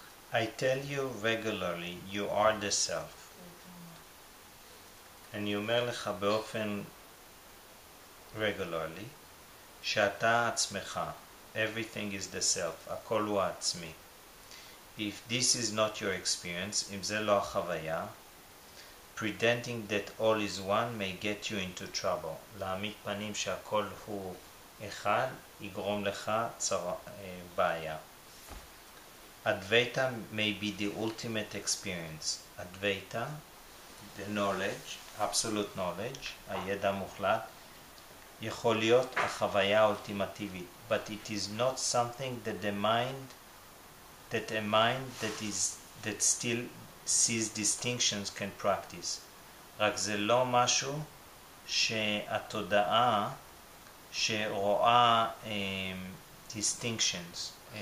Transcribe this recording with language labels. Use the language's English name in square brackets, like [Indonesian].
[English] I tell you regularly, you are the self. [Hebrew] אני אומר לך באופן regularly, שאתה עצמך. [English] Everything is the self. [Hebrew] הכל הוא עצמי. [English] If this is not your experience, [Hebrew] אם זה לא החוויה, [English] pretending that all is one may get you into trouble. [Hebrew] להעמיד פנים שהכל הוא אחד, יגרום לך בעיה. [English] Advaita may be the ultimate experience. Advaita, the knowledge, absolute knowledge, [Hebrew] הידע מוחלט, יכול להיות החוויה האולטימטיבית. [English] But it is not something that still sees distinctions can practice. [Hebrew] רק זה לא משהו שהתודעה שרואה distinctions.